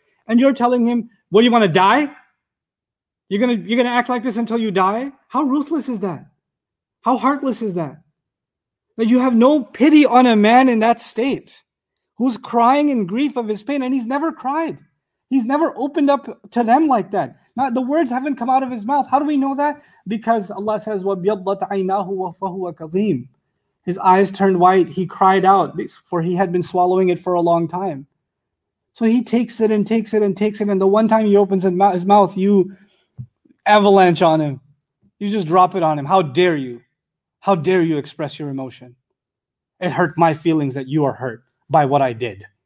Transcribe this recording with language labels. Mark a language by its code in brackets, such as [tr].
[en] And you're telling him, what, do you want to die? You're gonna act like this until you die? How ruthless is that? How heartless is that? That you have no pity on a man in that state who's crying in grief of his pain, and he's never cried. He's never opened up to them like that. Not, the words haven't come out of his mouth. How do we know that? Because Allah says, [ar] وَبْيَضَّتْ عَيْنَاهُ وَفَهُوَ كَظِيمٌ. [en] His eyes turned white, he cried out, for he had been swallowing it for a long time. So he takes it and takes it and takes it, and the one time he opens his mouth, you avalanche on him. You just drop it on him. How dare you? How dare you express your emotion? It hurt my feelings that you are hurt by what I did.